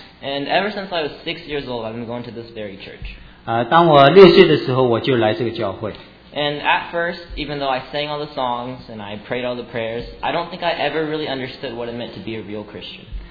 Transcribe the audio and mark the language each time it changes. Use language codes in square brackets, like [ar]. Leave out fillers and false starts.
[en] And ever since I was 6 years old, I've been going to this very church. [zh] 当我六岁的时候我就来这个教会。 [en] And at first, even though I sang all the songs and I prayed all the prayers, I don't think I ever really understood what it meant to be a real Christian.